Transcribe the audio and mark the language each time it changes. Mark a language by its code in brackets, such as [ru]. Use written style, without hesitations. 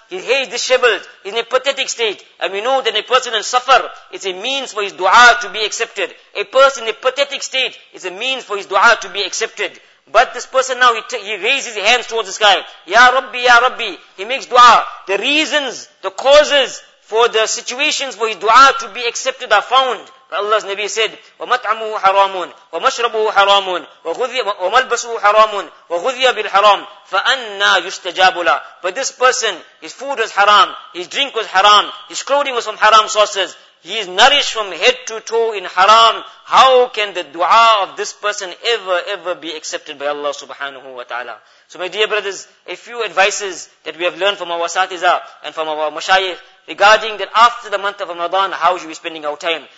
[en] His hair is disheveled, he's in a pathetic state. And we know that a person in safar is a means for his du'a to be accepted. A person in a pathetic state is a means for his du'a to be accepted. But this person now, he raises his hands towards the sky. Ya Rabbi, Ya Rabbi. He makes du'a. The reasons, the causes for the situations for his du'a to be accepted are found. Allah's Nabi said, [ar] وَمَطْعَمُهُ حَرَامٌ وَمَشْرَبُهُ حَرَامٌ وَمَلْبَسُهُ حَرَامٌ وَغُذِيَ بِالْحَرَامٌ فَأَنَّا يُسْتَجَابُ لَهُ. [en] But this person, his food was haram, his drink was haram, his clothing was from haram sources, he is nourished from head to toe in haram. How can the dua of this person ever be accepted by Allah subhanahu wa ta'ala? So my dear brothers, a few advices that we have learned from our satiza and from our mashayikh regarding that after the month of Ramadan, how should we be spending our time?